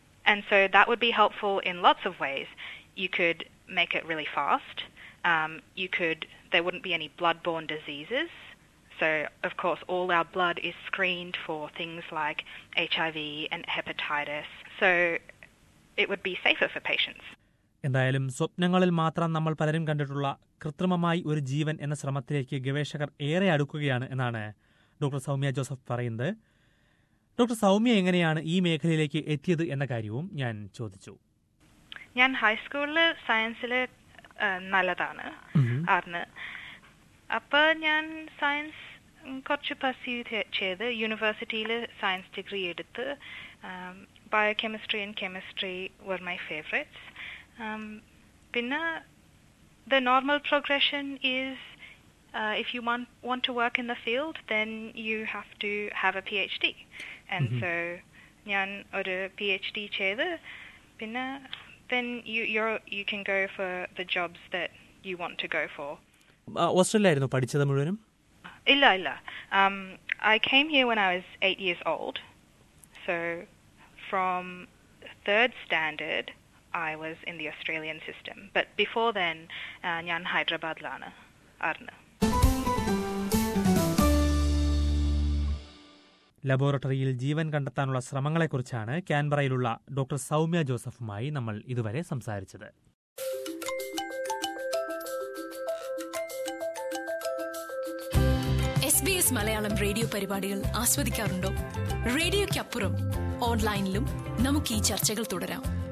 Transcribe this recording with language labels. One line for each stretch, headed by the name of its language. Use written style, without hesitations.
English: And so that would be helpful in lots of ways. You could make it really fast. There wouldn't be any blood-borne diseases. So, of course, all our blood is screened for things like HIV and hepatitis. So it would be safer for patients.
Malayalam: എന്തായാലും സ്വപ്നങ്ങളിൽ മാത്രം നമ്മൾ പലരും കണ്ടിട്ടുള്ള കൃത്രിമമായി ഒരു ജീവൻ എന്ന ശ്രമത്തിലേക്ക് ഗവേഷകർ ഏറെ അടുക്കുകയാണ് എന്നാണ് ഡോക്ടർ സൗമ്യ ജോസഫ് പറയുന്നത്. ഡോക്ടർ സൗമ്യ എങ്ങനെയാണ് ഈ മേഖലയിലേക്ക് എത്തിയത് എന്ന കാര്യവും ഞാൻ ചോദിച്ചു. ഞാൻ ഹൈസ്കൂളില് സയൻസില് നല്ലതാണ് അറിഞ്ഞ്, അപ്പൊ ഞാൻ സയൻസ് കുറച്ച് പെർസ്യൂ ചെയ്ത് യൂണിവേഴ്സിറ്റിയിൽ സയൻസ് ഡിഗ്രി എടുത്ത്.
English: Biochemistry and chemistry were my favourites.
Malayalam: Pinna,
English: the normal progression is if you want to work in the field, then you have to have a PhD. And mm-hmm. so,
Malayalam: nyan oru PhD cheythu, pinna,
English: then you can go for the jobs that you want to go for.
Malayalam: Australia irunnu padichathu mulavanum? Illa, illa.
English: I came here when I was 8 years old. So, from third standard, I was in the Australian system, but before then
Malayalam: ഞാൻ ഹൈദരാബാദിലാണ് ആയിരുന്നു. ലബോറട്ടറിയിൽ ജീവൻ കണ്ടെത്താനുള്ള ശ്രമങ്ങളെക്കുറിച്ചാണ് കാൻബറയിലുള്ള doctor Soumya ജോസഫുമായി നമ്മൾ ഇതുവരെ സംസാരിച്ചത്. SBS Malayalam radio പരിപാടികൾ ആസ്വദിക്കാറുണ്ടോ? റേഡിയോയ്ക്ക് അപ്പുറം ഓൺലൈനിലും നമുക്ക് ഈ ചർച്ചകൾ തുടരാം.